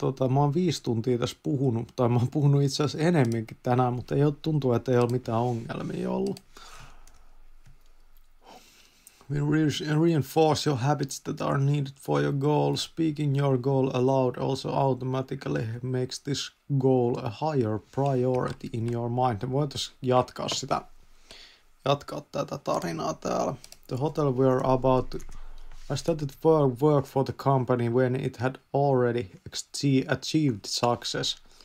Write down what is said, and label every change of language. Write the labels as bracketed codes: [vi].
[fi] Mä oon 5 tuntia tässä puhunut, tai mä oon puhunut itse asiassa enemminkin tänään, mutta tuntuu, että ei ole mitään ongelmia ollut. [en] Reinforce your habits that are needed for your goal. Speaking your goal aloud also automatically makes this goal a higher priority in your mind. [fi] Voitaisiin jatkaa tätä tarinaa täällä. [en] The hotel we are about to... I started work for the company when it had already achieved success.